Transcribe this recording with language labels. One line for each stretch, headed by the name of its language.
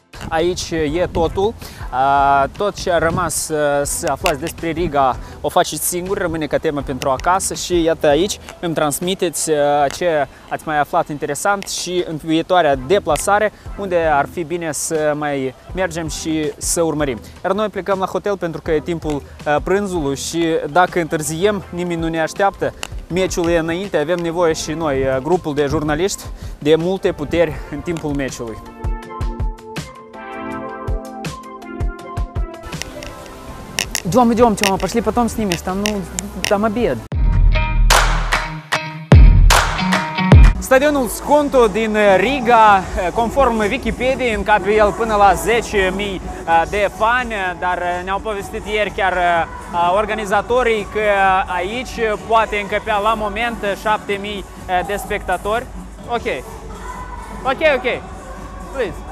Romanian: Aici e totul. Tot ce a rămas să aflați despre Riga o faceți singur, rămâne ca temă pentru acasă și iată aici îmi transmiteți ce ați mai aflat interesant și în viitoarea deplasare unde ar fi bine să mai mergem și să urmărim. Iar noi plecăm la hotel pentru că e timpul prânzului și dacă întârziem nimeni nu ne așteaptă. Meciul e înainte, avem nevoie și noi, grupul de jurnaliști, de multe puteri în timpul meciului.
Russian: Идем, идем, Тёма, пошли потом снимешь, там, ну, там обед.
Romanian: Stadionul Skonto din Riga, conform Wikipediei, încape el până la 10.000 de fani, dar ne-au povestit ieri chiar organizatorii că aici poate încăpea la moment 7.000 de spectatori.
English: Ok. Ok, ok. Please.